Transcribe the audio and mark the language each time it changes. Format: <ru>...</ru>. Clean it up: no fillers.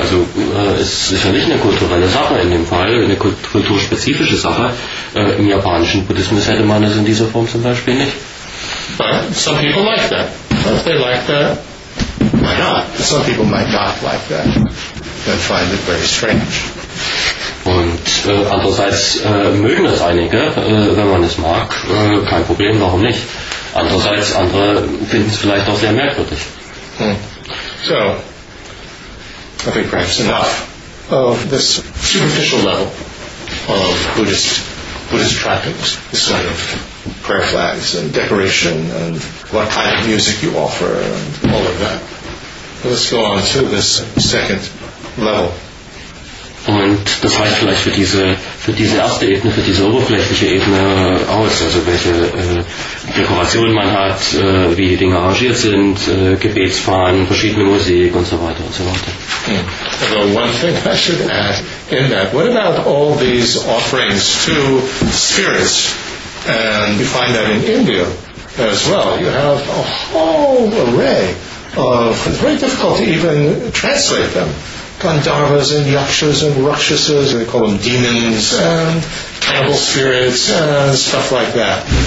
<de>Also ist sicher nicht eine kulturelle Sache in dem Fall, eine kulturspezifische Sache. Im japanischen Buddhismus hätte man es in dieser Form zum Beispiel nicht.</de> <en>But some people like that. But they like that. Why not? Some people might not like that and find it very strange.</en> <de>Und andererseits mögen es einige, wenn man es mag. Kein Problem, warum nicht? Andererseits, andere finden es vielleicht auch sehr merkwürdig.</de> <en>So, I think perhaps enough of this superficial level of Buddhist trappings, this kind of prayer flags and decoration and what kind of music you offer and all of that. Let's go on to this second level.</en> <de>Und das reicht vielleicht für diese erste Ebene, für diese oberflächliche Ebene aus. Also welche Dekorationen man hat, wie die Dinge arrangiert sind, Gebetsfahnen, verschiedene Musik und so weiter und so weiter.</de> <en>Although one thing I should add in that, what about all these offerings to spirits? And you find that in India as well. You have a whole array. It's very difficult to even translate them. Gandharvas and yakshas and rakshasas, they call them demons and cannibal spirits and stuff like that.</en>